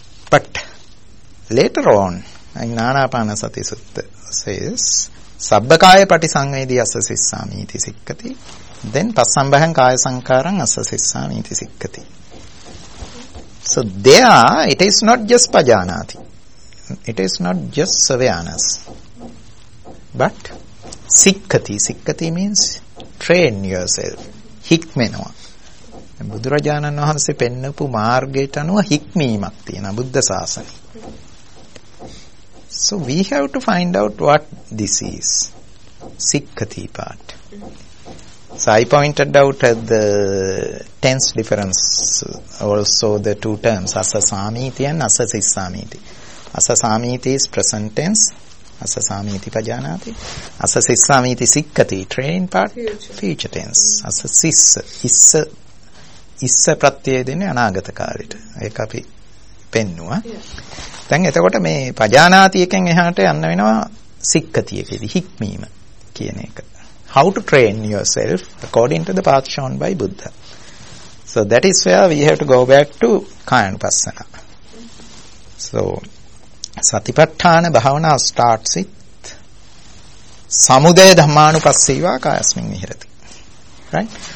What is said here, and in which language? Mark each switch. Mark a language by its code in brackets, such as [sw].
[en] But later on, in Anapanasati Sutta says, [pi] Sabbakaya pati sangvedi asa sissami iti sikkati, then Passambhayam kaya sankaram asa sissami iti sikkati. [en] So there, it is not just pajanati. It is not just savyanas. But sikkati. Sikkati means train yourself. [si] Hikmenova. බුදුරජාණන් වහන්සේ පෙන්වපු මාර්ගයට අනුව හික්මීමක් තියෙනවා බුද්ධ ශාසනය. [en] So we have to find out what this is. Sikkhati part. So I pointed out at the tense difference also the two terms asa samiti and asa sissamiti. Asa samiti is present tense. [pi] Asa samiti pajanati. Asa sissamiti sikkhati [en] train part. Future [si] tense. [pi] Asa sissa. Issa. [si] ඉස්ස ප්‍රත්‍යය දෙන්නේ අනාගත කාලෙට. ඒක අපි පෙන්නවා. දැන් එතකොට මේ පජානාති එකෙන් එහාට යන්න වෙනවා සික්කති එකේදී හික්මීම කියන එක. [en] How to train yourself according to the path shown by Buddha. So that is where we have to go back to Kayanupassana. So satipatthana bhavana starts with [pi] samudaya dhammanupassīva kāyasmin vihirati. [en] Right?